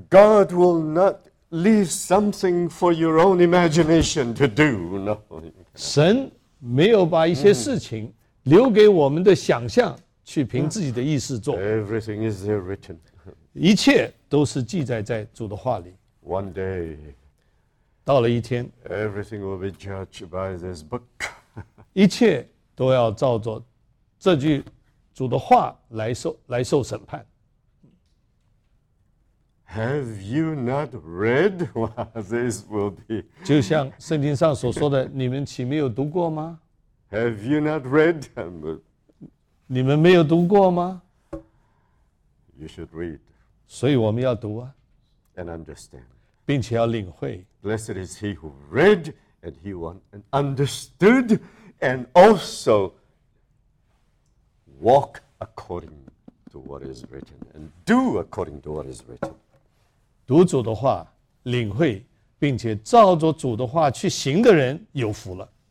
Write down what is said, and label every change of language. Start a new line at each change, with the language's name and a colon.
English: God will not leave something for your own imagination to do. No.
Chinese: 神没有把一些事情留给我们的想象。
English: Everything is there written.
Chinese: 一切都是记载在主的话里。
English: One day,
Chinese: 到了一天,
English: everything will be judged by this book.
Chinese: 一切都要照着这句主的话来受审判。
English: Have you not read what this will be?
Chinese: 就像圣经上所说的, 你们岂没有读过吗?
English: Have you not read?
Chinese: 你们没有读过吗?
English: You should read.
Chinese: 所以我们要读啊。
English: And understand.
Chinese: 并且要领会。
English: Blessed is he who read and he understood and also walk according to what is written and do according to what is written.
Chinese: 读主的话, 领会, 并且照着主的话去行的人有福了。